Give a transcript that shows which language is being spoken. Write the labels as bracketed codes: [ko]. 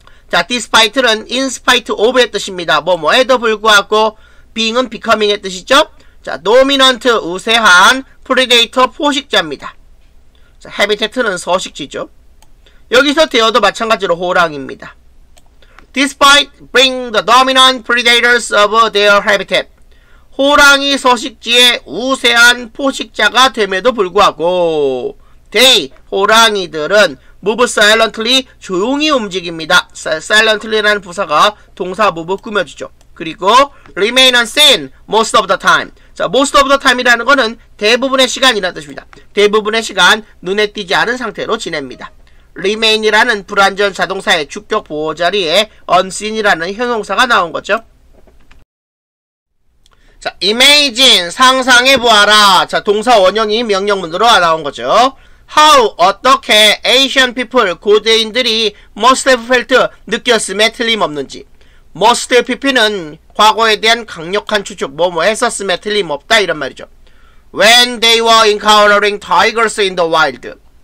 [ko] 자, despite는 [en] in spite of [ko] 의 뜻입니다. 뭐뭐에도 불구하고 being은 becoming의 뜻이죠. 자, dominant 우세한 predator 포식자입니다. 자, habitat는 서식지죠. 여기서 대어도 마찬가지로 호랑이입니다. [en] Despite being the dominant predators of their habitat. [ko] 호랑이 서식지의 우세한 포식자가 됨에도 불구하고 they, 호랑이들은 [en] move silently, [ko] 조용히 움직입니다. silently라는 부사가 동사 move 꾸며주죠. 그리고 [en] remain unseen most of the time. [ko] 자, [en] most of the time [ko] 이라는 것은 대부분의 시간이라는 뜻입니다. 대부분의 시간 눈에 띄지 않은 상태로 지냅니다. remain이라는 불완전 자동사의 주격 보호 자리에 unseen이라는 형용사가 나온 거죠. 자, imagine, 상상해보아라. 자, 동사 원형이 명령문으로 나온 거죠. [en] How, 어떻게 Asian people, [ko] 고대인들이 [en] must have felt, [ko] 느꼈음에 틀림없는지. must pp는 과거에 대한 강력한 추측, 뭐뭐 했었음에 틀림없다, 이런 말이죠. [en] When they were encountering tigers in the wild.